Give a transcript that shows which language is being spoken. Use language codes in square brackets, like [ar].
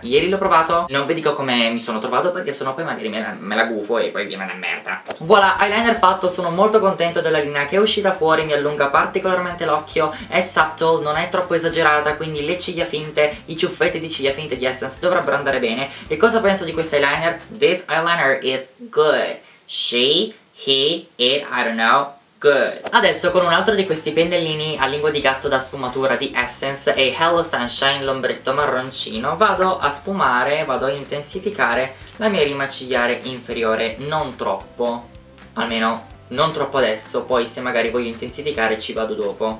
[it] Ieri l'ho provato, non vi dico come mi sono trovato perché sennò poi magari me la gufo e poi viene una merda. Voilà, eyeliner fatto, sono molto contento della linea che è uscita fuori, mi allunga particolarmente l'occhio, è subtle, non è troppo esagerata, quindi le ciglia finte, i ciuffetti di ciglia finte di Essence dovrebbero andare bene. E cosa penso di questo eyeliner? [en] This eyeliner is good. She, he, it, I don't know, good. [it] Adesso con un altro di questi pennellini a lingua di gatto da sfumatura di Essence e Hello Sunshine, l'ombretto marroncino, vado a sfumare, vado a intensificare la mia rima ciliare inferiore, non troppo, almeno non troppo adesso, poi se magari voglio intensificare ci vado dopo.